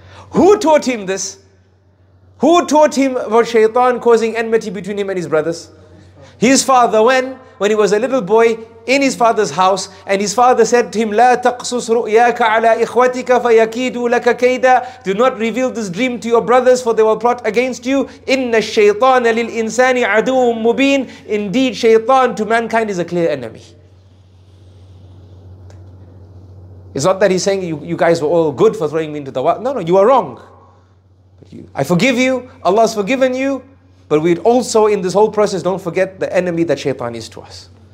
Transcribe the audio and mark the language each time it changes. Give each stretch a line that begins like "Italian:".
English: Who taught him this? Who taught him about Shaytan causing enmity between him and his brothers? His father. When he was a little boy in his father's house, and his father said to him,
Arabic: لا تقصص رؤياك على إخوتك فيكيدوا لك كيدا.
English: Do not reveal this dream to your brothers, for they will plot against you.
Arabic: إن الشيطان للإنسان عدو مبين.
English: Indeed, Shaytan to mankind is a clear enemy. It's not that he's saying you guys were all good for throwing me into the water. No, you are wrong. I forgive you, Allah's forgiven you, but we'd also in this whole process don't forget the enemy that Shaytan is to us.